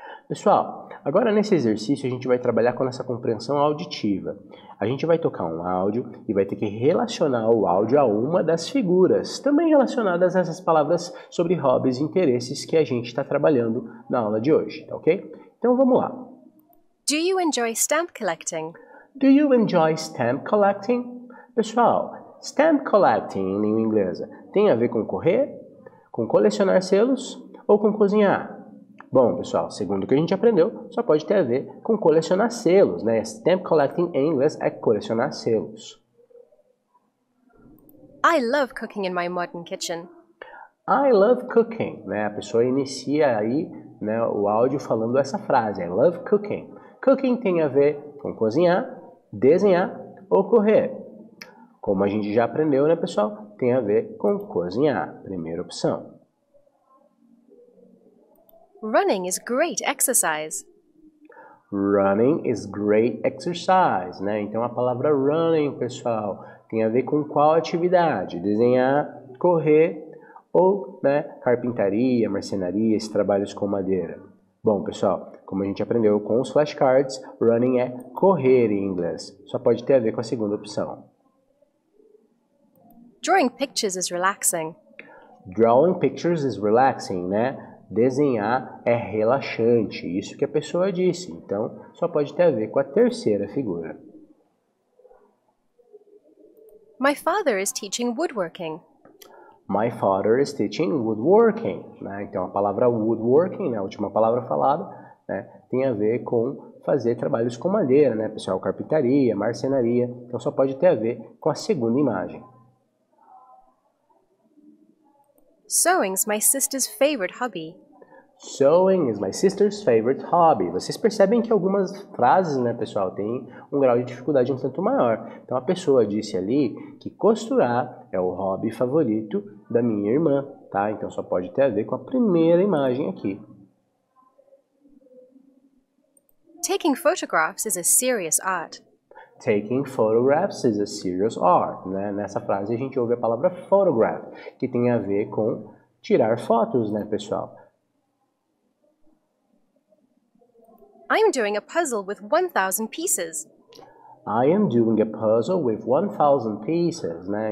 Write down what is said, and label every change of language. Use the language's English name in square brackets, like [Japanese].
[Portuguese] Pessoal, agora nesse exercício a gente vai trabalhar com a nossa compreensão auditiva. A gente vai tocar um áudio e vai ter que relacionar o áudio a uma das figuras, também relacionadas a essas palavras sobre hobbies e interesses que a gente está trabalhando na aula de hoje, tá ok? Então, vamos lá. [English] Do you enjoy stamp collecting? Do you enjoy stamp collecting? [Portuguese] Pessoal, stamp collecting em língua inglesa tem a ver com correr, com colecionar selos ou com cozinhar? Bom, pessoal, segundo o que a gente aprendeu, só pode ter a ver com colecionar selos, né? Stamp collecting em inglês é colecionar selos. [English] I love cooking in my modern kitchen. I love cooking, né? [Portuguese] A pessoa inicia aí, né, o áudio falando essa frase, [English] I love cooking. [Portuguese] Cooking tem a ver com cozinhar, desenhar ou correr. Como a gente já aprendeu, né, pessoal? Tem a ver com cozinhar, primeira opção. [English] Running is great exercise. Running is great exercise, né? [Portuguese] Então, a palavra running, pessoal, tem a ver com qual atividade? Desenhar, correr ou, né, carpintaria, marcenaria, esses trabalhos com madeira. Bom, pessoal, como a gente aprendeu com os flashcards, running é correr em inglês. Só pode ter a ver com a segunda opção. [English] Drawing pictures is relaxing. Drawing pictures is relaxing, né? [Portuguese] Desenhar é relaxante, isso que a pessoa disse. Então, só pode ter a ver com a terceira figura. [English] My father is teaching woodworking. My father is teaching woodworking. [Portuguese] Né? Então, a palavra woodworking, né, a última palavra falada, né, tem a ver com fazer trabalhos com madeira, né, pessoal? Carpintaria, marcenaria. Então, só pode ter a ver com a segunda imagem. [English] Sewing's my sister's favorite hobby. Sewing is my sister's favorite hobby. [Portuguese] Vocês percebem que algumas frases, né, pessoal, têm um grau de dificuldade um tanto maior. Então, a pessoa disse ali que costurar é o hobby favorito da minha irmã, tá? Então, só pode ter a ver com a primeira imagem aqui. [English] Taking photographs is a serious art. Taking photographs is a serious art, né? [Portuguese] Nessa frase, a gente ouve a palavra photograph, que tem a ver com tirar fotos, né, pessoal? [English] I'm doing a puzzle with 1,000 pieces. I am doing a puzzle with 1,000 pieces, né?